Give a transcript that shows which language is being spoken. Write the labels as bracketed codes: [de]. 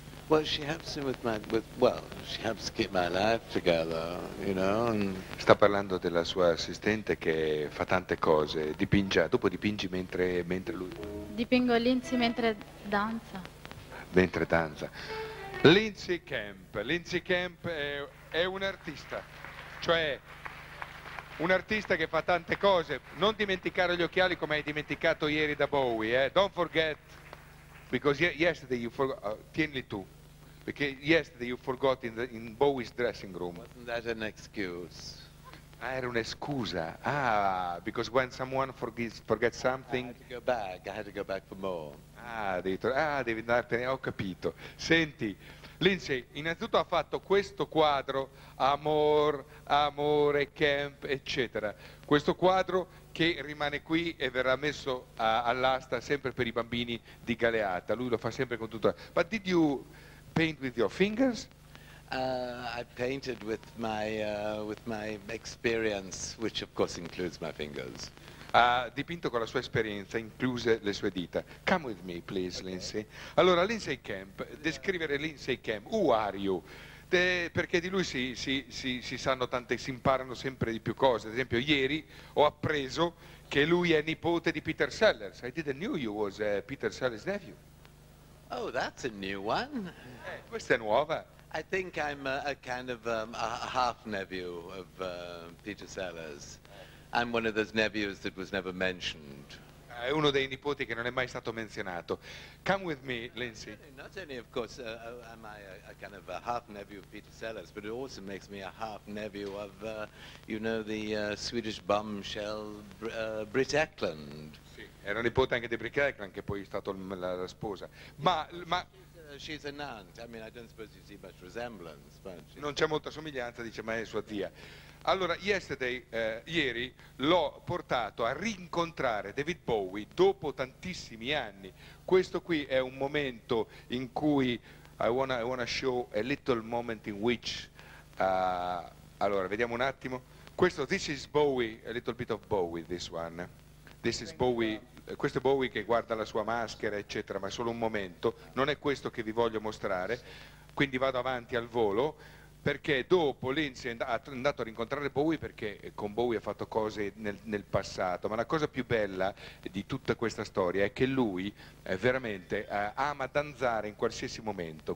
[en] Well, she helps me with my, with, well, she helps keep my life together, you know. And... [it] Sta parlando della sua assistente che fa tante cose. Dipinge, dopo dipingi mentre, mentre lui... Dipingo Lindsay mentre danza. Mentre danza. Lindsay Kemp. Lindsay Kemp è un artista. Cioè, un artista che fa tante cose. Non dimenticare gli occhiali come hai dimenticato ieri da Bowie, eh. [en] Don't forget... Because yesterday you forgot, [it] tienli tu, perché [en] yesterday you forgot in Bowie's dressing room. Wasn't that an excuse? [it] Ah, era un'escusa. [en] Ah, because when someone forgets something... I had to go back for more. [it] Ah, devi andartene, ho capito. Senti, Lindsay, innanzitutto ha fatto questo quadro, amore, camp, eccetera. Questo quadro... che rimane qui e verrà messo all'asta sempre per i bambini di Galeata. Lui lo fa sempre con tutta... [en] But did you paint with your fingers? I painted with my experience, which of course includes my fingers. [it] Ha dipinto con la sua esperienza, incluse le sue dita. [en] Come with me, please, okay. [it] Lindsay. Allora, Lindsay Kemp, descrivere Lindsay Kemp. [en] Who are you? [it] Perché di lui si sanno tante, si imparano sempre di più cose. Ad esempio, ieri ho appreso che lui è nipote di Peter Sellers. [en] I didn't know you was Peter Sellers' nephew. Oh, that's a new one. [it] Questa è nuova. [en] I think I'm a kind of a half nephew of Peter Sellers. I'm one of those nephews that was never mentioned. [it] È uno dei nipoti che non è mai stato menzionato. [en] Come with me, Lindsay. Not only, of course, am I a kind of a half nephew of Peter Sellers, but it also makes me a half nephew of, you know, the Swedish bombshell Britt Ekland. [it] Sì, era nipote anche di Britt Ekland, che poi è stato la sposa. Ma, [en] she's an aunt. I mean, I don't suppose you see much resemblance, but [it] non c'è molta somiglianza, dice, ma è sua zia. Allora, ieri l'ho portato a rincontrare David Bowie dopo tantissimi anni. Questo qui è un momento in cui [en] I wanna show a little moment in which [it] allora, vediamo un attimo. Questo, [en] this is Bowie, a little bit of Bowie, this one. This is Bowie, [it] questo è Bowie che guarda la sua maschera, eccetera, ma è solo un momento. Non è questo che vi voglio mostrare, quindi vado avanti al volo. Perché dopo Lindsay è andato a rincontrare Bowie, perché con Bowie ha fatto cose nel passato, ma la cosa più bella di tutta questa storia è che lui veramente ama danzare in qualsiasi momento.